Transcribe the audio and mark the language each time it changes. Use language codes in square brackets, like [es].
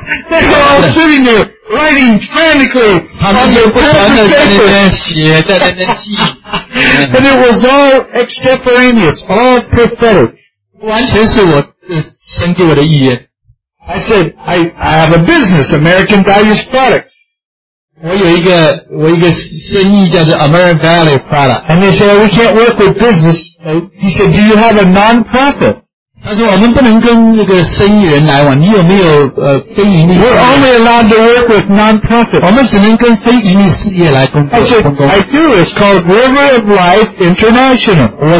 [en] They were all sitting there writing frantically. [zh] 他们就不断地在那边写，在那边记。 [en] And it was all extemporaneous, all prophetic. [zh] 完全是我神给我的预言。 [en] I said, I have a business, American Values Products. [zh] 我有一个生意叫做American Value Product. [en] And they said, we can't work with business. He said, do you have a non-profit? [zh] 他说我们不能跟那个生意人来往，你有没有非盈利？ [en] We're only allowed to work with non-profit. [zh] 我们只能跟非盈利事业来工作。 [en] I do, it's called River of Life International.